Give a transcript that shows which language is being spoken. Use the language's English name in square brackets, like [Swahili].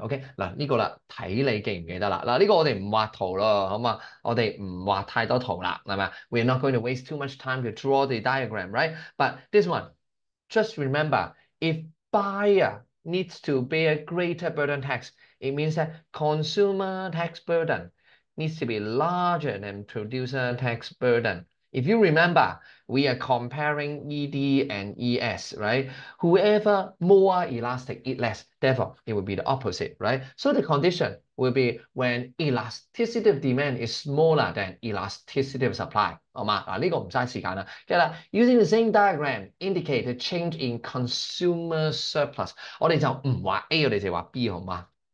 [Chinese] Okay, 这个了,看你记不记得了,这个我们不画图了,好吗?我们不画太多图了,是吧? [English] We're not going to waste too much time to draw the diagram, right? But this one, just remember, if buyer needs to bear greater burden tax, it means that consumer tax burden needs to be larger than producer tax burden. If you remember, we are comparing ED and ES, right? Whoever more elastic eat less, therefore it will be the opposite, right? So the condition will be when elasticity of demand is smaller than elasticity of supply. [Chinese] 好吗?这个不浪费时间了。 [English] Using the same diagram, indicate the change in consumer surplus. [Chinese] 我们就不画A,我们就画B,好吗?